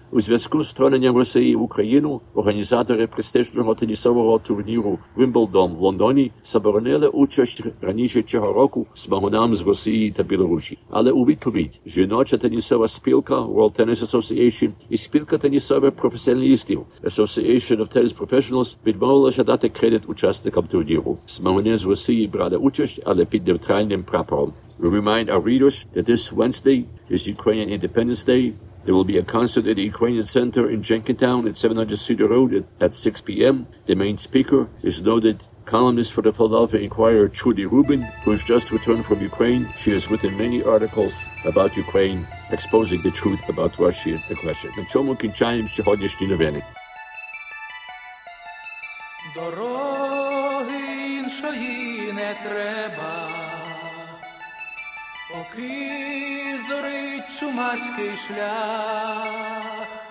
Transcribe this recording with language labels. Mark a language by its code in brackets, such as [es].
[uk] У зв'язку з вторгненням Росії в Україну організатори престижного тенісового турніру Wimbledon в Лондоні заборонили участь раніше цього року змагунам з Росії та Білорусі. Але у відповідь жіноча тенісова спілка World Tennis Association і спілка тенісових професіоналістів Association of Tennis Professionals відмовилися дати кредит учасникам турніру. Змагуни з Росії брали участь, але під нейтральним прапором. [en] We remind our readers that this Wednesday is Ukrainian Independence Day. There will be a concert at the Ukrainian Center in Jenkintown at 700 Cedar Road at 6 p.m. The main speaker is noted Columnist for the Philadelphia Inquirer, Trudy Rubin, who has just returned from Ukraine. She has written many articles about Ukraine, exposing the truth about Russian aggression. [uk] На чому кінчаємо сьогоднішні новини? Дороги іншої не треба, поки зорить чумацький шлях.